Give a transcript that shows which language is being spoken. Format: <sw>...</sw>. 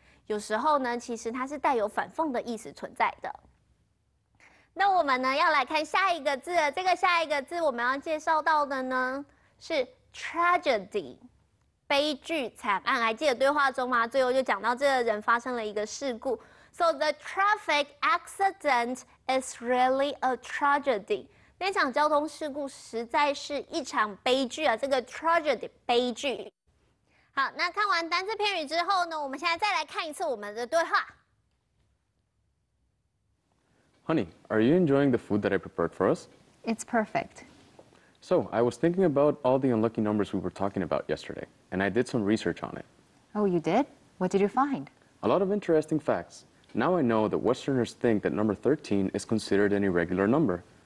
<zh>有时候呢，其实它是带有反讽的意思存在的。那我们呢，要来看下一个字，这个下一个字我们要介绍到的呢是。Tragedy，悲剧惨案，还记得对话中吗？最后就讲到这个人发生了一个事故。</zh> <en>So the traffic accident is really a tragedy.</en> <zh>那场交通事故实在是一场悲剧啊！这个 tragedy 悲剧。好，那看完单字片语之后呢，我们现在再来看一次我们的对话。</zh> <en>Honey, are you enjoying the food that I prepared for us? It's perfect. So, I was thinking about all the unlucky numbers we were talking about yesterday, and I did some research on it. Oh, you did? What did you find? A lot of interesting facts. Now I know that Westerners think that number 13 is considered an irregular number.</en>